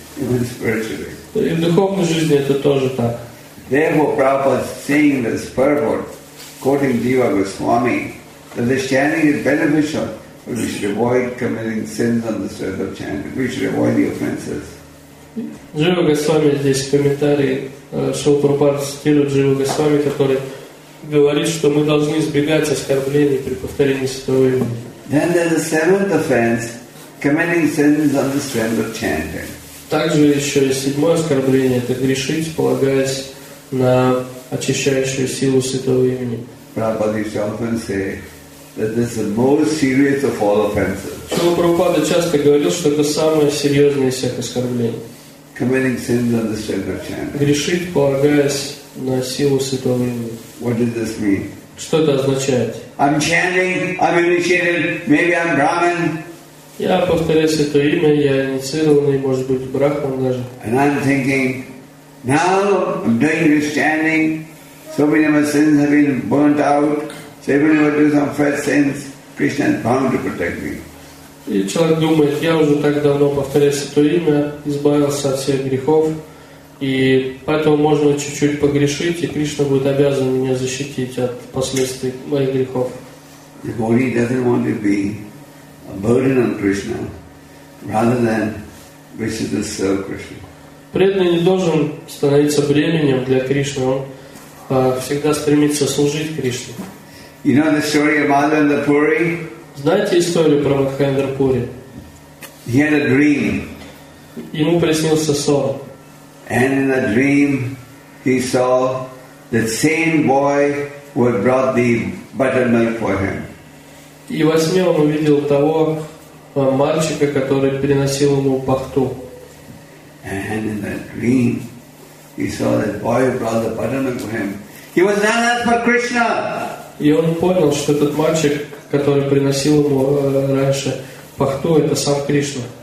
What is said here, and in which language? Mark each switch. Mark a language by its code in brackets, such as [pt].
[ru] И в духовной жизни это тоже так. [en] Therefore, Prabhupada saying this purport, quoting Diva Goswami, that the chanting is beneficial, but we should avoid committing sins on the surface of chanting. We should avoid the offenses. [ru] Джива Госвами здесь в комментарии Шрила Прабхупада цитирует Джива Госвами, который говорит, что мы должны избегать оскорблений при повторении святого имени. [en] Then there's a seventh offense, committing sins on the strength of chanting. [ru] Также еще есть седьмое оскорбление, это грешить, полагаясь на очищающую силу святого имени. [en] Prabhupada used to often say that this is the most serious of all offenses. [ru] Шрила Прабхупада часто говорил, что это самое серьезное из всех оскорблений. [en] Committing sins on the strength of chanting. [ru] Грешить, полагаясь на силу святого имени. [en] What does this mean? [ru] Что это означает? [en] I'm chanting, I'm initiated, maybe I'm Brahman. [ru] Я повторяю святое имя, я инициированный, может быть, Брахман даже. [en] And I'm thinking, now I'm doing this chanting, so many of my sins have been burnt out, so even if I do some fresh sins, Krishna is bound to protect me. [ru] И человек думает, я уже так давно повторяю святое имя, избавился от всех грехов, и поэтому можно чуть-чуть погрешить, и Кришна будет обязан меня защитить от последствий моих грехов. [en] Devotee doesn't want to be a burden on Krishna, rather than wishes to serve Krishna. [ru] Преданный не должен становиться бременем для Кришны, он всегда стремится служить Кришне. [en] You know the story of Madhavendra Puri? [ru] Знаете историю про Мадхавендра Пури? [en] He had a dream. [ru] Ему приснился сон. [en] And in the dream, he saw the same boy who had brought the buttermilk for him. [ru] И во сне он увидел того мальчика, который приносил ему пахту. [en] And in the dream, he saw that boy who brought the buttermilk for him. He was none other than Krishna. [ru] И он понял, что этот мальчик, который приносил ему раньше пахту, это сам Кришна.